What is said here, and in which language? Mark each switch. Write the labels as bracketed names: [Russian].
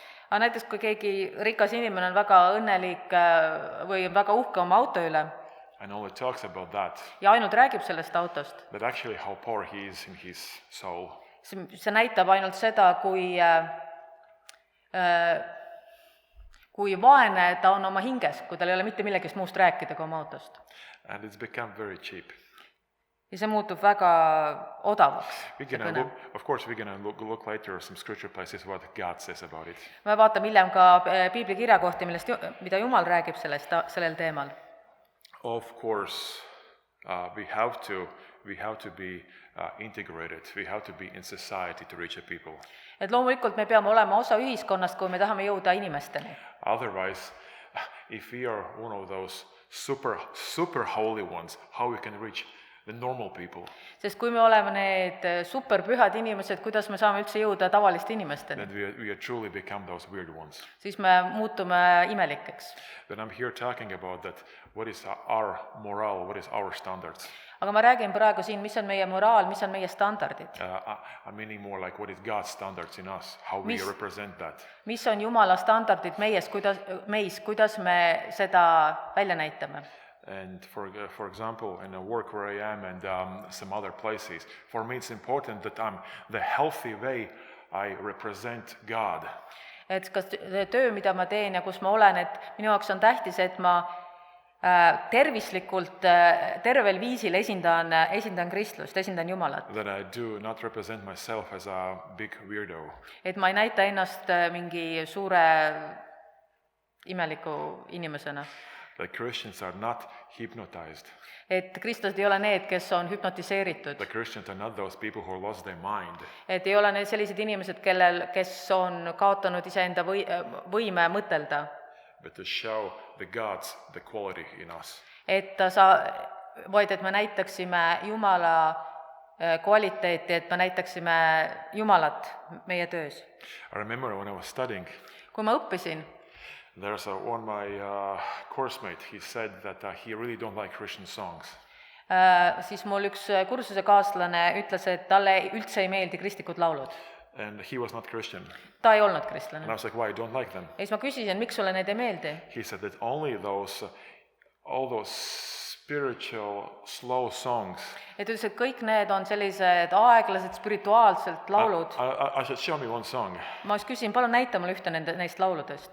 [Estonian] Aga näiteks, kui keegi rikas inimene on väga õnnelik või on väga uhke oma auto üle. [English] And only talks about that. [Estonian] Ja ainult räägib sellest autost. [English] But actually how poor he is in his soul. [Estonian] See näitab ainult seda, kui vaene ta on oma hinges, kui tal ei ole mitte millegist muust rääkida kui oma autost. [English] And it's become very cheap. [Estonian] Ja see muutub väga odavaks. [English] We can look, of course we're going to look later some scripture places what God says about it. [Estonian] Me vaatame hiljem ka Piibli kirjakohti, millest mida Jumal räägib sellel teemal. [English] Of course we have to be integrated. We have to be in society to reach a people. [Estonian] Et loomulikult me peame olema osa ühiskonnast, kui me tahame jõuda inimesteni. [English] Otherwise if we are one of those super holy ones, how we can reach the normal people. [Estonian] Sest kui me oleme need super pühad inimesed, kuidas me saame üldse jõuda tavalist inimestel? [English] That we are truly become those weird ones. [Estonian] Siis me muutume imelikeks. [English] But I'm here talking about that, what is our moral, what is our standards. [Estonian] Aga ma räägin praegu siin, mis on meie moraal, mis on meie standardid. [English] I'm meaning more like what is God's standards in us, how we represent that. [Estonian] Mis on Jumala standardid meis, kuidas me seda välja näitame? [English] And for example in a work where I am and some other places, for me it's important that I'm the healthy way I represent God. [Estonian] Et kas töö mida ma teen ja kus ma olen, et minu jaoks on tähtis, et ma tervislikult tervel viisil esindan Kristust, esindan Jumalat. [English] That I do not represent myself as a big weirdo. [Estonian] Et ma ei näita ennast mingi suure imeliku inimesena. [English] The Christians are not hypnotized. [Estonian] Et kristlased ei ole need, kes on hüpnotiseeritud. [English] The Christians are not those people who lost their mind. [Estonian] Et ei ole need sellised inimesed, kellel kes on kaotanud iseenda võime mõtelda. [English] But to show the God's the quality in us. [Estonian] Et sa vaid et me näitaksime Jumala kvaliteeti, et me näitaksime Jumalat meie töös. [English] I remember when I was studying. [Estonian] Kui ma õppisin. [English] There's one my course mate, he said that he really don't like Christian songs. [Estonian] Siis mul üks kursuse kaaslane ütles, et talle üldse ei meeldi kristlikud laulud. [English] And he was not Christian. [Estonian] Ta ei olnud kristlane. [English] And I was like, why you don't like them? [Estonian] Ja siis ma küsisin, miks sulle need ei meeldi? [English] He said that only those, all those spiritual slow songs. [Estonian] Et üldse kõik need on sellised aeglased spirituaalselt laulud. [English] I said, show me one song. [Estonian] Ma siis küsin, palun näita mul ühte neist lauludest.